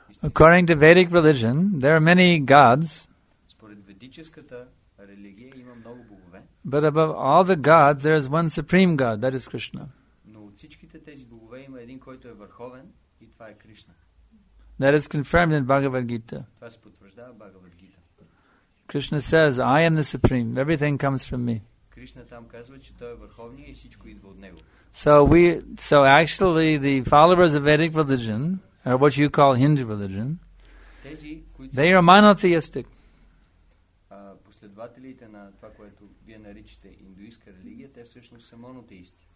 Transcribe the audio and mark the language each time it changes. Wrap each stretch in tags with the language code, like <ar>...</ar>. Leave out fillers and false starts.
<en>According to Vedic religion, there are many gods.</en> <bg>Според ведическата религия има много богове.</bg> <en>But above all the gods, there is one supreme god, that is Krishna.</en> <bg>Но от всичките тези богове има един, който е върховен, и това е Кришна.</bg> <en>That is confirmed in Bhagavad Gita.</en> <bg>Това се потвърждава в Бхагавад Гита.</bg> <en>Krishna says, I am the supreme. Everything comes from me.</en> <bg>Кришна там казва, че той е върховният и всичко идва от него.</bg> <en>So actually the followers of Vedic religion, or what you call Hindu religion,</en> <bg>тези,</bg> <en>they are monotheistic.</en> <bg>Последователите на това, което вие наричате индуистка религия, те всъщност са монотеисти.</bg>